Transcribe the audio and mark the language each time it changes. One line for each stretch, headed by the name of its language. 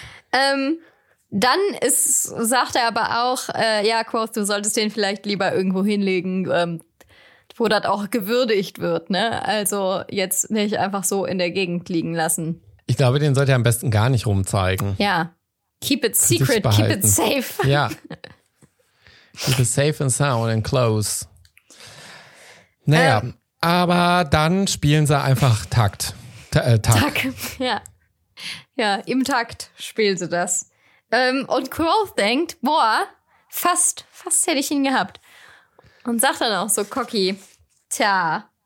German: Dann ist, sagt er aber auch, Quoth, du solltest den vielleicht lieber irgendwo hinlegen, wo das auch gewürdigt wird, ne? Also jetzt nicht einfach so in der Gegend liegen lassen. Ich glaube, den sollte er am besten gar nicht rumzeigen. Ja.
English: Keep it secret, keep it safe.
German: Ja.
English: Keep it safe and sound and close.
German: Naja, aber dann spielen sie einfach Takt. Tag. Ja. Ja, im Takt spielen sie das. Und Quoth denkt, boah, fast hätte ich ihn gehabt. Und sagt dann auch so, Cocky, tja.